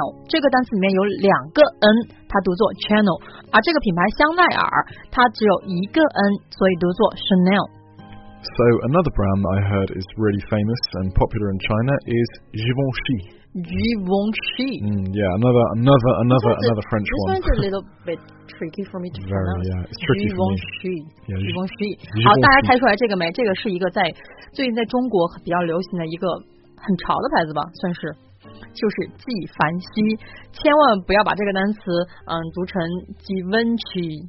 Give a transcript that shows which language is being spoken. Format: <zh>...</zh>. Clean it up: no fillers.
<zh>这个单词里面有两个 N, 它读作 channel. 而这个品牌香奈儿它只有一个 N, 所以读作 Chanel.</zh> <en>So another brand I heard is really famous and popular in China is Givenchy. Givenchy. Another French this one. This one's a little bit tricky for me to pronounce. Very, yeah, it's tricky Givenchy. For me. Givenchy. Givenchy.</en> <zh>好，大家猜出来这个没？这个是一个在最近在中国比较流行的一个很潮的牌子吧，算是。就是纪梵希，千万不要把这个单词读成 Givenchy.</zh>